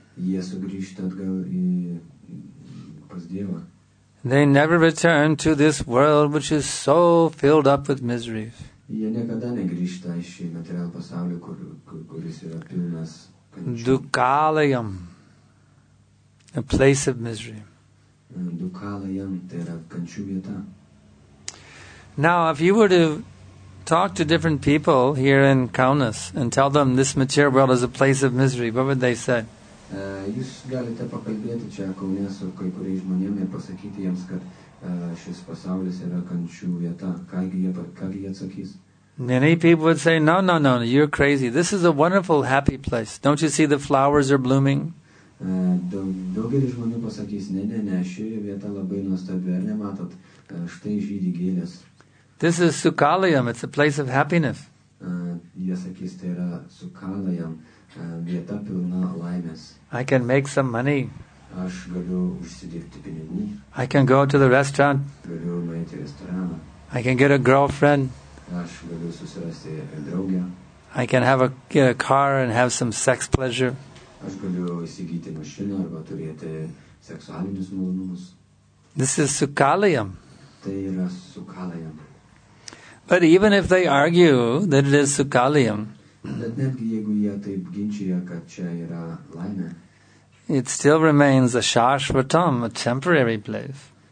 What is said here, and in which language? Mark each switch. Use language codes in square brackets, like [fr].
[lt] jie sugrįžta atgal į pas Dievą. [en] They never return to this world which is so filled up with misery. [lt] Jie niekada negrįžta į šį materialų pasaulį, kuris yra pilnas kančių. [en] Dukalayam, a place of misery. [lt] Dukalayam, tai yra kančių vieta. [en] Now, if you were to talk to different people here in Kaunas and tell them this material world is a place of misery, what would they say? [lt] Jūs galite pakalbėti čia Kaune su kai kuriais žmonėm ir pasakyti jiems, kad šis pasaulis yra kančių vieta. Ką gi jie atsakys? [en] Many people would say, no, you're crazy. This is a wonderful, happy place. Don't you see the flowers are blooming? [lt] Daugelis žmonių pasakys, ne, ši vieta labai nuostabi, ar nematot, štai žydi gėlės. [en] This is Sukalayam, it's a place of happiness. [lt] Jie sakys, tai yra Sukalayam, vieta pilna laimės. [en] I can make some money. [lt] Aš galiu užsidirbti pinigų. [en] I can go to the restaurant. [lt] Galiu nueiti į restoraną. [en] I can get a girlfriend. [lt] Aš galiu susirasti draugę. [en] I can get a car and have some sex pleasure. [lt] Aš galiu įsigyti mašiną arba turėti seksualinius malonumus. [en] This is Sukalayam. [lt] Tai yra Sukalayam. [en] But even if they argue that it is Sukalayam, it still remains a Shashvatam, a temporary place.